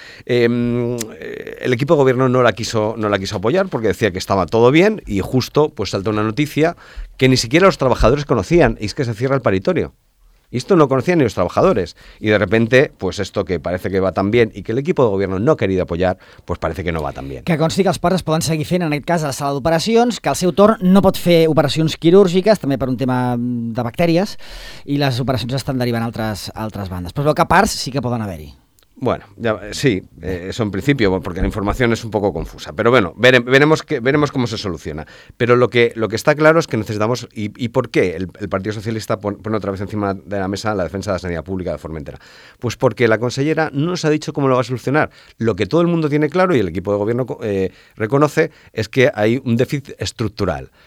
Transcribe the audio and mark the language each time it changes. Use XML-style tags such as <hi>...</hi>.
<es>El equipo de gobierno no la quiso apoyar porque decía que estaba todo bien, y justo pues salta una noticia que ni siquiera los trabajadores conocían, y es que se cierra el paritorio. Y esto no conocían ni los trabajadores. Y de repente, pues esto que parece que va tan bien y que el equipo de gobierno no ha querido apoyar, pues parece que no va tan bien.</es> <ca>Que consti que els pares poden seguir fent, en aquest cas, a la sala d'operacions, que al seu torn no pot fer operacions quirúrgiques, també per un tema de bactèries, i les operacions estan derivant a altres bandes. Però que parts sí que poden haver-hi.</ca> <es>Bueno, ya, sí, eso en principio, porque la información es un poco confusa. Pero bueno, veremos cómo se soluciona. Pero lo que está claro es que necesitamos, y por qué el Partido Socialista pone otra vez encima de la mesa la defensa de la sanidad pública de Formentera. Pues porque la consellera no nos ha dicho cómo lo va a solucionar. Lo que todo el mundo tiene claro, y el equipo de gobierno reconoce, es que hay un déficit estructural.</es>